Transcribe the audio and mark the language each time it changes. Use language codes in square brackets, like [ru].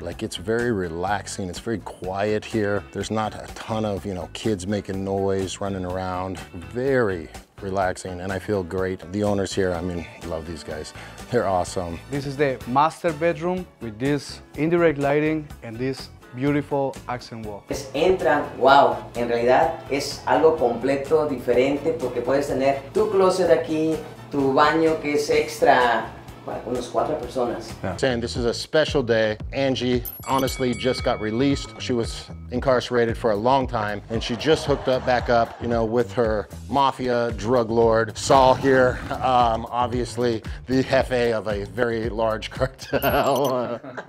[en] Like, it's very relaxing. It's very quiet here. There's not a ton of, you know, kids making noise, running around. Very relaxing, and I feel great. The owners here, I mean, love these guys. They're awesome. This is the master bedroom with this indirect lighting and this beautiful accent wall. [es] Entran, wow, en realidad es algo completo diferente porque puedes tener tu closet aquí, tu baño que es extra para unos cuatro personas. [en] Yeah. Saying this is a special day. Angie honestly just got released. She was incarcerated for a long time and she just hooked up back up, you know, with her mafia drug lord, Saul here, obviously the jefe of a very large cartel.